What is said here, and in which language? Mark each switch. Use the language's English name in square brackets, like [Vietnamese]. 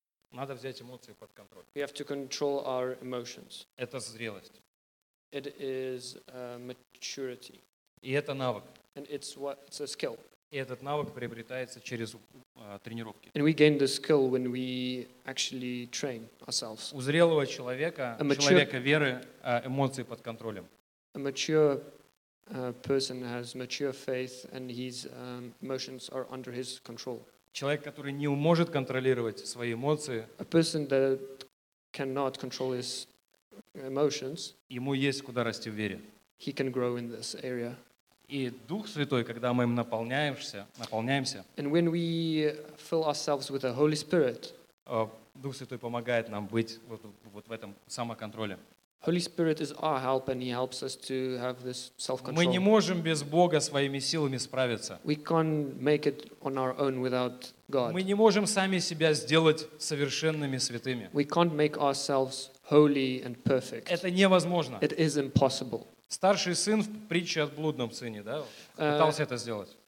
[Russian] Надо взять эмоции под контроль. [English] We have to control our emotions. [Russian] Это зрелость. [English] It is maturity. [Russian] И это навык. [English] And it's a skill. [Russian] И этот навык приобретается через тренировки. [English] And we gain the skill when we actually train ourselves. [Russian] У зрелого человека, человека веры, эмоции под контролем. [English] A mature person has mature faith and his emotions are under his control. [Russian] Человек, который не может контролировать свои эмоции, [English] a person that cannot control his emotions, [Russian] ему есть куда расти в вере. [English] He can grow in this area. [Russian] И Дух Святой, когда мы им наполняемся, [English] and when we fill ourselves with the Holy Spirit, [Russian] Дух Святой помогает нам быть вот в этом самоконтроле. [English] Holy Spirit is our help and he helps us to have this self-control. [Russian] Мы не можем без Бога своими силами справиться. [English] We can't make it on our own without God. [Russian] Мы не можем сами себя сделать совершенными святыми. [English] We can't make ourselves holy and perfect. [Russian] Это невозможно. [English] It is impossible. [Russian] Старший сын в притче о блудном сыне, да, пытался это сделать.